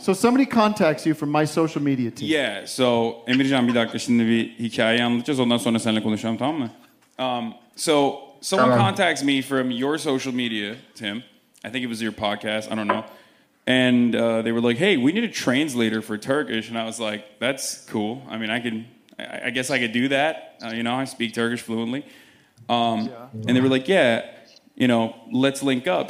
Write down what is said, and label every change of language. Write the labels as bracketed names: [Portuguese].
[English] So somebody contacts you from my social media team. Yeah, so [Turkish] Emir Jean, bir dakika, şimdi bir hikaye anlatacağız. Ondan sonra seninle konuşalım, tamam mı? [English] So someone contacts me from your social media, Tim. I think it was your podcast. I don't know. And they were like, hey, we need a translator for Turkish. And I was like, that's cool. I mean, I guess I could do that. You know, I speak Turkish fluently. And they were like, yeah, you know, let's link up.